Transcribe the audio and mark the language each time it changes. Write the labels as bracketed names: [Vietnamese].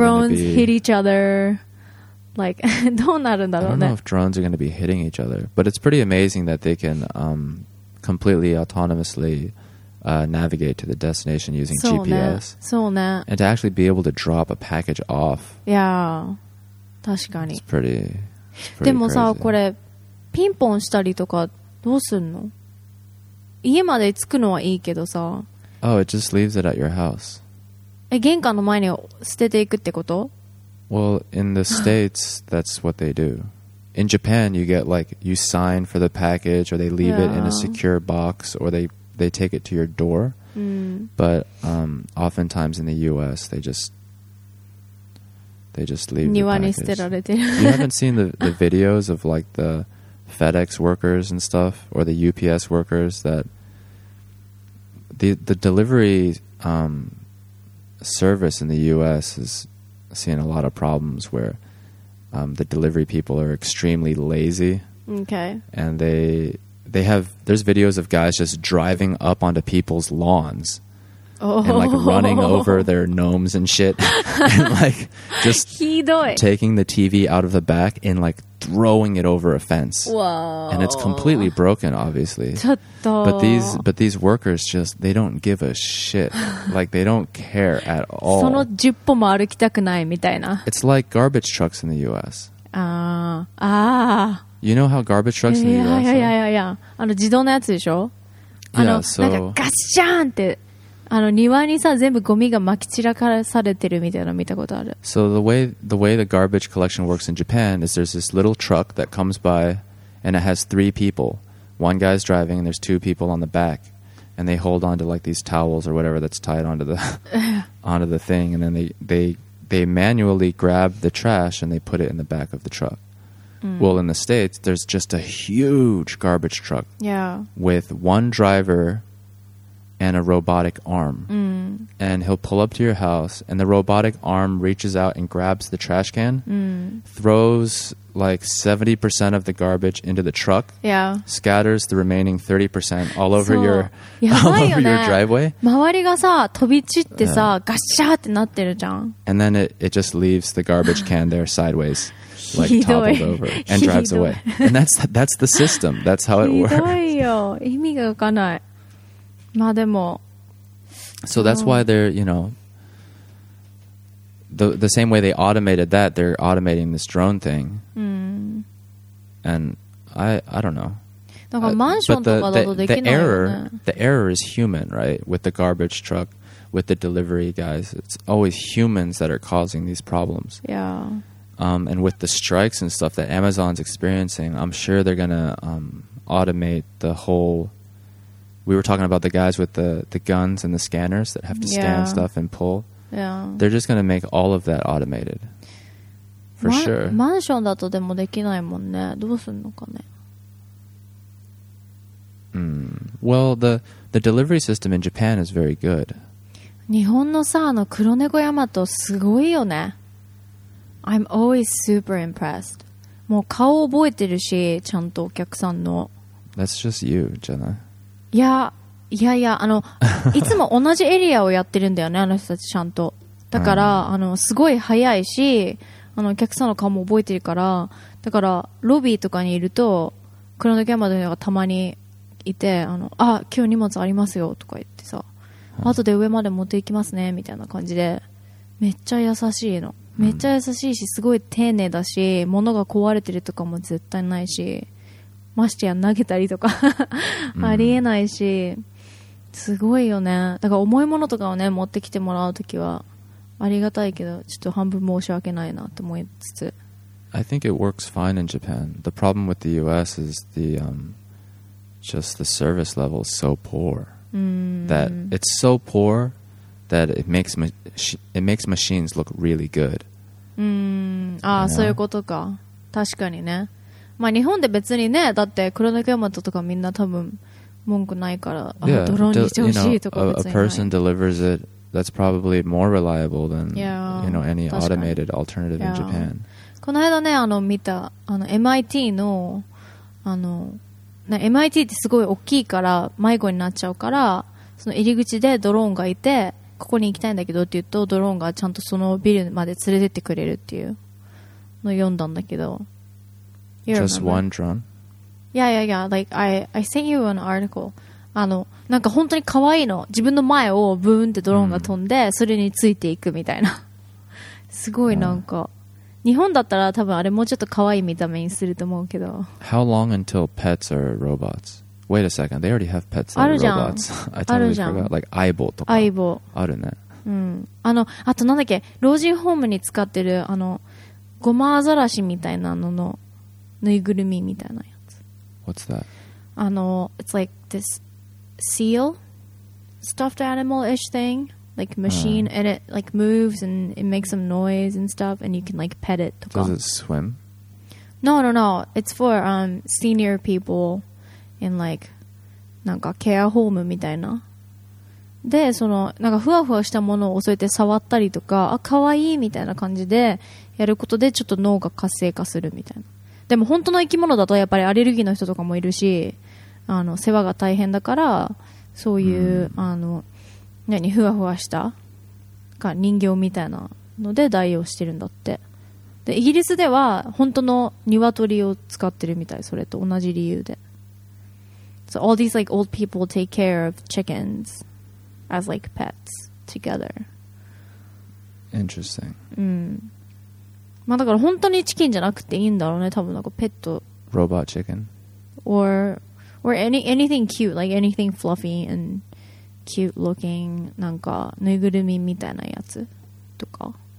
[English] like drones hit each other. Like, [Japanese] どうなるんだろうね? [English] I don't know if drones are going to be hitting each other, but it's pretty amazing that they can completely autonomously navigate to the destination using [Japanese] そうね、 [English] GPS. [Japanese] そうね。 [English] And to actually be able to drop a package off. [Japanese] Yeah, 確かに。 [English] It's pretty [Japanese] でもさ、 [English] crazy. [Japanese] これピンポンしたりとかどうすんの? 家まで着くのはいいけどさ。 [English] Oh, it just leaves it at your house. 玄関の前に捨てていくってこと? Well, in the States, that's what they do. In Japan, you get like, you sign for the package or they leave it in a secure box or they take it to your door. But oftentimes in the US, they just They just leave the package. [Japanese] 庭に捨てられてる。 [English] You haven't seen the videos of like the FedEx workers and stuff, or the UPS workers that the delivery service in the US is seeing a lot of problems where the delivery people are extremely lazy. Okay. And they have, there's videos of guys just driving up onto people's lawns. Oh. And like running over their gnomes and shit. And like just [Japanese] Hidoi. [English] Taking the TV out of the back and like throwing it over a fence. Whoa. And it's completely broken, obviously. But these workers just, they don't give a shit. Like they don't care at all. [Japanese] その十歩も歩きたくないみたいな。 [English] It's like garbage trucks in the US. Ah. You know how garbage trucks in the US are? Yeah. [Japanese] あの自動のやつでしょ? [English] Yeah, so... [Japanese] なんかガッシャーンって。あの庭にさ全部ゴミが撒き散らかされてるみたいなの見たことある。 [English] So the way the garbage collection works in Japan is there's this little truck that comes by and it has three people. One guy's driving and there's two people on the back and they hold onto like these towels or whatever that's tied onto the onto the thing and then they manually grab the trash and they put it in the back of the truck. Mm. Well, in the States, there's just a huge garbage truck. Yeah. With one driver and a robotic arm. Mm. And he'll pull up to your house and the robotic arm reaches out and grabs the trash can, mm. throws like 70% of the garbage into the truck, yeah. scatters the remaining 30% all over your all over your driveway. [Japanese] 周りがさ、飛び散ってさ、ガッシャーってなってるじゃん。 [English] And then it just leaves the garbage can there sideways, like toppled over, and drives away. And that's the system. That's how it works. [Japanese] ひどいよ。意味がわかんない。まあでも、 [English] so that's why they're, you know, the same way they automated that, they're automating this drone thing. And I don't know. [Japanese] なんかマンションとかだとできないよね。 [English] The error is human, right? With the garbage truck, with the delivery guys, it's always humans that are causing these problems. Yeah. And with the strikes and stuff that Amazon's experiencing, I'm sure they're gonna automate the whole. We were talking about the guys with the guns and the scanners that have to scan stuff and pull. Yeah. They're just going to make all of that automated. For sure. [Japanese] マンションだとでもできないもんね。どうすんのかね。 [English] Well, the delivery system in Japan is very good. [Japanese] 日本のさ、あの黒猫ヤマトすごいよね。 [English] I'm always super impressed. [Japanese] もう顔覚えてるし、ちゃんとお客さんの。 [English] That's just you, Jenna. [Japanese] いやあのいつも同じエリアをやってるんだよねあの人たちちゃんとだから、うん、あのすごい早いしあのお客さんの顔も覚えてるからだからロビーとかにいると黒の山の人がたまにいてあのあ今日荷物ありますよとか言ってさ、うん、後で上まで持って行きますねみたいな感じでめっちゃ優しいのめっちゃ優しいしすごい丁寧だし物が壊れてるとかも絶対ないしましてや投げたりとかありえないし、すごいよね。だから重いものとかをね持ってきてもらうときはありがたいけど、ちょっと半分申し訳ないなと思いつつ。 [English] I think it works fine in Japan. The problem with the U.S. is the just the service level is so poor that it's so poor that it makes machines look really good. [Japanese] ああそういうことか。確かにね。まあ、日本で別にねだって黒猫ヤマトとかみんな多分文句ないからドローンにしてほしいとか別にない [English] a person delivers it that's probably more reliable than you know, any automated alternative in Japan [Japanese] この間ねあの見たあの MIT のあの MIT ってすごい大きいから迷子になっちゃうからその入り口でドローンがいてここに行きたいんだけどって言うとドローンがちゃんとそのビルまで連れてってくれるっていうのを読んだんだけど [English] Just one drone? Yeah. Like, I sent you an article. [Japanese] あの、なんか本当に可愛いの。自分の前をブーンってドローンが飛んで、それについていくみたいな。すごいなんか。日本だったら多分あれもうちょっと可愛い見た目にすると思うけど。 [English] How long until pets are robots? Wait a second, they already have pets that are robots. I totally forgot. Like, Aibo とか。 [Japanese] Aibo。あるね。うん。あの、あとなんだっけ、老人ホームに使ってる、あの、ゴマアザラシみたいなのの、ぬいぐるみみたいなやつ。 [English] What's that? あの、it's like this seal stuffed animal-ish thing. like machine and it like moves and it makes some noise and stuff and you can like pet it. Does it swim? No. It's for senior people in like [Japanese] なんかケアホームみたいな。で、そのなんかふわふわしたものを添えて触ったりとか、あ、かわいいみたいな感じでやることでちょっと脳が活性化するみたいな。でも本当の生き物だとやっぱりアレルギーの人とかもいるし、あの世話が大変だからそういう、うん、あの何ふわふわしたか人形みたいなので代用してるんだって。でイギリスでは本当の鶏を使ってるみたい、それと同じ理由で。 [English] So all these like old people take care of chickens as like pets together. Interesting. [Japanese] うん、まあだから本当にチキンじゃなくていいんだろうね、多分なんかペット、 [English] Robot chicken or anything cute, like anything fluffy and cute looking, [Japanese] なんかぬいぐるみみたいなやつとか。